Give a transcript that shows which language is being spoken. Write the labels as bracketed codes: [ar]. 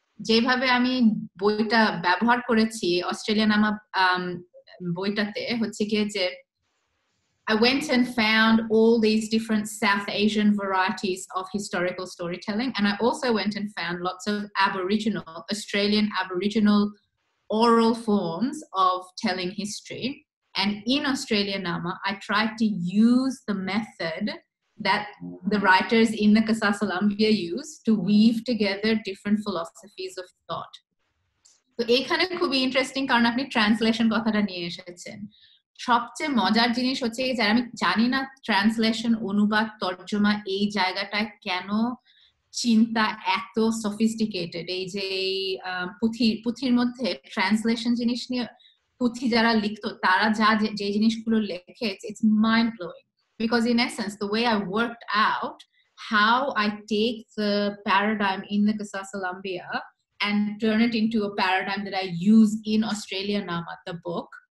[bn] Jeibhabe ami boi ta byabohar korechi australian ama বইটাতে হচ্ছে কি যে [en] I went and found all these different South Asian varieties of historical storytelling, and I also went and found lots of Aboriginal, Australian Aboriginal oral forms of telling history. And in Australianama, I tried to use the method that the writers in the Casasalambia use to weave together different philosophies of thought. [bn] তো এখানে খুবই interesting, কারণ আপনি translation কথাটা নিয়ে এসেছেন। সবচেয়ে মজার জিনিস হচ্ছে যে আমি জানি না ট্রান্সলেশন, অনুবাদ, তর্জমা এই জায়গাটায় কেন চিন্তা এত সফিস্টিকেটেড। এই যে পুঁথির মধ্যে ট্রান্সলেশন জিনিস নিয়ে পুঁথি যারা লিখত তারা যা যে জিনিসগুলো লেখে, [en] it's mind blowing, because in essence the way I worked out how I take the paradigm in the কাসাসালাম্বিয়া and turn it into a paradigm that I use in Australianama, the book,